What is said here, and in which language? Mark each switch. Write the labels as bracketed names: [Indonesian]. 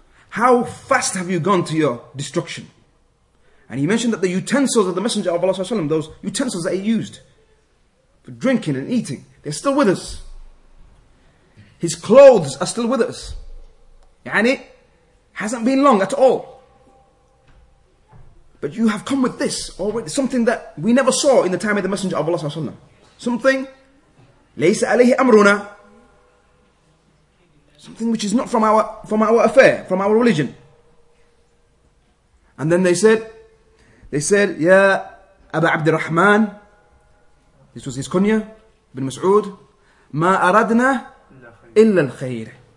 [English] How fast have you gone to your destruction? And he mentioned that the utensils of the Messenger of Allah [Arabic] صلى الله عليه وسلم, [English] those utensils that he used for drinking and eating, they're still with us. His clothes are still with us. يعني hasn't been long at all. But you have come with this already, something that we never saw in the time of the Messenger of Allah Sallallahu Alaihi Wasallam. Something, [Arabic] ليس عليه أمرنا. [English] Something which is not from our affair, from our religion. And then they said, [Arabic] يا أبا عبد الرحمن. [English] This was his kunya, Ibn Mas'ud. [Arabic] ما أردنا إلا الخير.